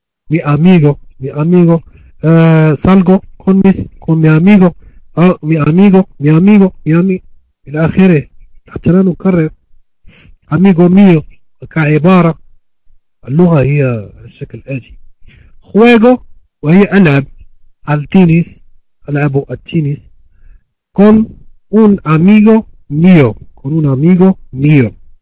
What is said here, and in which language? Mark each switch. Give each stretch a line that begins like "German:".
Spanish: Mi amigo, salgo con mi amigo mi amigo,
Arabic: إلى آخره، حتى لا نكرر.
Spanish: amigo mio
Arabic: كعبارة، اللغة هي على الشكل الآتي:
Spanish: juego
Arabic: وهي ألعب،
Spanish: al tenis
Arabic: ألعب التنس،
Spanish: con un amigo mio، con un amigo mio.